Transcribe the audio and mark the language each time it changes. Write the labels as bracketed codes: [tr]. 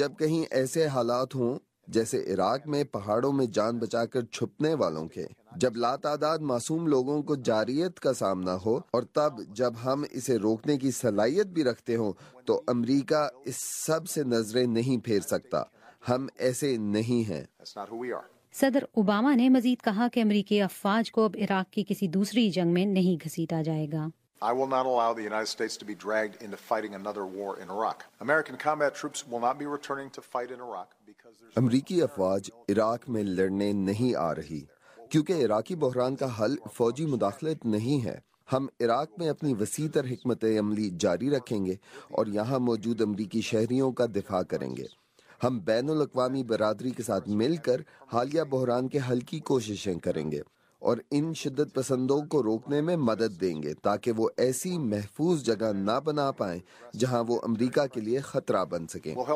[ur] جب کہیں ایسے حالات ہوں جیسے عراق میں پہاڑوں میں جان بچا کر چھپنے والوں کے، جب لا تعداد معصوم لوگوں کو جارحیت کا سامنا ہو اور تب جب ہم اسے روکنے کی صلاحیت بھی رکھتے ہوں، تو امریکہ اس سب سے نظریں نہیں پھیر سکتا۔ ہم ایسے نہیں ہیں۔ صدر اوباما نے مزید کہا کہ امریکی افواج کو اب عراق کی کسی دوسری جنگ میں نہیں گھسیٹا جائے گا۔ [en] I will not allow the United States to be dragged into fighting another war in Iraq. American combat troops will not be returning to fight in Iraq because there's [ur] امریکی افواج عراق میں لڑنے نہیں آ رہی، کیونکہ عراقی بحران کا حل فوجی مداخلت نہیں ہے۔ ہم عراق میں اپنی وسیع تر حکمت عملی جاری رکھیں گے اور یہاں موجود امریکی شہریوں کا دفاع کریں گے۔ ہم بین الاقوامی برادری کے ساتھ مل کر حالیہ بحران کے حل کی کوششیں کریں گے اور ان شدت پسندوں کو روکنے میں مدد دیں گے تاکہ وہ ایسی محفوظ جگہ نہ بنا پائیں جہاں وہ امریکہ کے لیے خطرہ بن سکیں۔